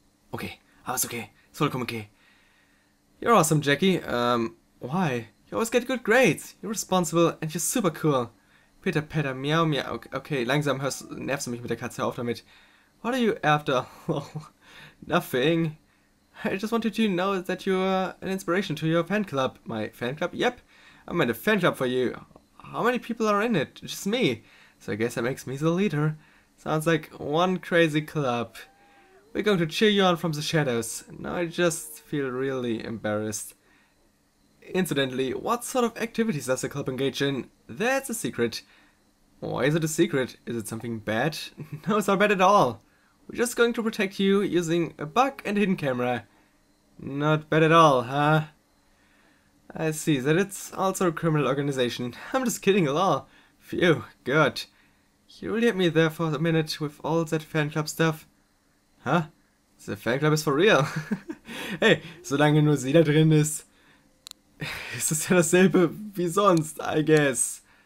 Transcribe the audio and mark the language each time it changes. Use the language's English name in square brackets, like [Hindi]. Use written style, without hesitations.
[German] Okay, aber ist okay. Ist vollkommen okay. [English] You're awesome, Jackie. Why? You always get good grades. You're responsible and you're super cool. [German] Peter, Peter, miau, miau. Okay, langsam nervst du mich mit der Katze. Hör auf damit. [English] What are you after? Nothing. I just wanted to know that you're an inspiration to your fan club. My fan club? Yep. I made a fan club for you. How many people are in it? Just me. So I guess that makes me the leader. Sounds like one crazy club. We're going to cheer you on from the shadows. Now I just feel really embarrassed. Incidentally, what sort of activities does the club engage in? That's a secret. Why is it a secret? Is it something bad? No, it's not bad at all. We're just going to protect you using a bug and a hidden camera. Not bad at all, huh? I see that it's also a criminal organization. I'm just kidding at all. Phew, good. You really had me there for a minute with all that fan club stuff. Huh? The fan club is for real. [German] Hey, solange nur sie da drin ist, ist es ja dasselbe wie sonst, [English] I guess.